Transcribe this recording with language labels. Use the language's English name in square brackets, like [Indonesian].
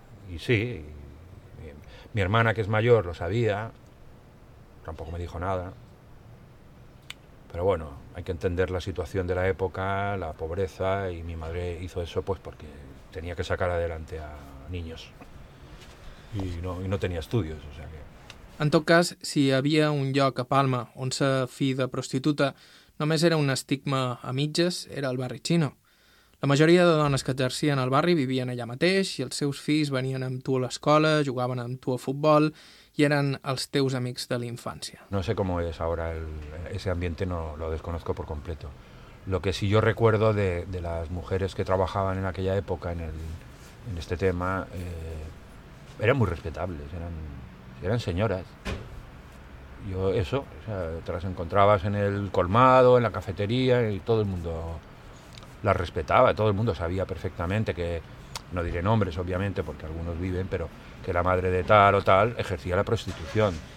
[Spanish] Y sí, mi hermana, que es mayor, lo sabía. Tampoco me dijo nada. Pero bueno, hay que entender la situación de la época, la pobreza, y mi madre hizo eso pues porque tenía que sacar adelante a niños. Y no tenía estudios, o sea que... [Catalan] En tot cas, si hi havia un lloc a Palma on sa fi de prostituta només era un estigma a mitges, era el barri xino. La majoria de dones que exercien al barri vivien allà mateix i els seus fills venien amb tu a l'escola, jugaven amb tu a futbol i eren els teus amics de la infància. [Spanish] No sé cómo es ahora ese ambiente, no lo desconozco por completo. Lo que sí yo recuerdo de las mujeres que trabajaban en aquella época en este tema, eran muy respetables, eran señoras. Yo eso, o sea, te las encontrabas en el colmado, en la cafetería, y todo el mundo las respetaba, todo el mundo sabía perfectamente que, no diré nombres obviamente porque algunos viven, pero que la madre de tal o tal ejercía la prostitución.